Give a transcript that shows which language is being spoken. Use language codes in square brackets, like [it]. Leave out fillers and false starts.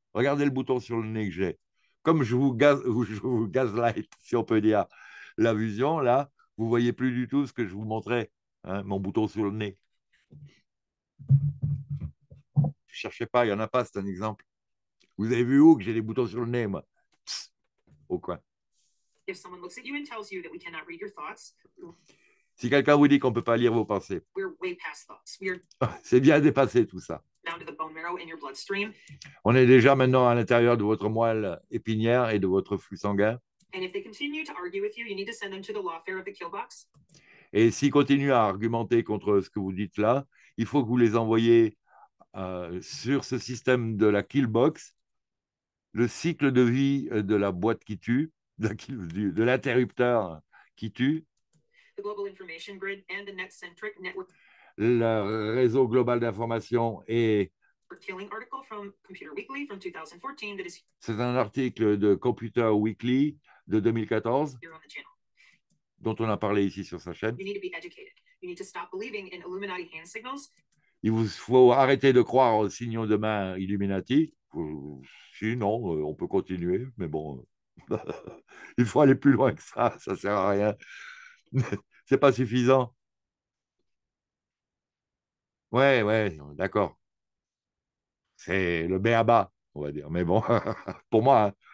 [fr] Regardez le bouton sur le nez que j'ai. Comme je vous gaslight, si on peut dire, la vision, là, vous ne voyez plus du tout ce que je vous montrais, hein, mon bouton sur le nez. Ne cherchez pas, il n'y en a pas, c'est un exemple. Vous avez vu où que j'ai des boutons sur le nez, moi? Psst, au coin. [en] If someone looks at you and tells you that we cannot read your thoughts... [fr] Si quelqu'un vous dit qu'on ne peut pas lire vos pensées, [en] we're way past thoughts. We're... [fr] c'est bien dépassé tout ça. [en] Down to the bone marrow in your bloodstream. [fr] On est déjà maintenant à l'intérieur de votre moelle épinière et de votre flux sanguin. [en] And if they continue to argue with you, you need to send them to the lawfare of the kill box. [fr] Et s'ils continuent à argumenter contre ce que vous dites là, il faut que vous les envoyez sur ce système de la kill box, le cycle de vie de la boîte qui tue, de l'interrupteur qui tue. [en] The global information grid and the net-centric network. [fr] Le réseau global d'information et [en] Killing article from Computer Weekly from 2014 that is. [fr] C'est un article de Computer Weekly de 2014 dont on a parlé ici sur sa chaîne. [en] You need to be educated. You need to stop believing in Illuminati hand signals. [fr] Il vous faut arrêter de croire aux signaux de main Illuminati. Sinon, on peut continuer, mais bon, il faut aller plus loin que ça. Ça sert à rien. C'est pas suffisant. Ouais, ouais, d'accord. C'est le béaba, on va dire. Mais bon, pour moi. Hein.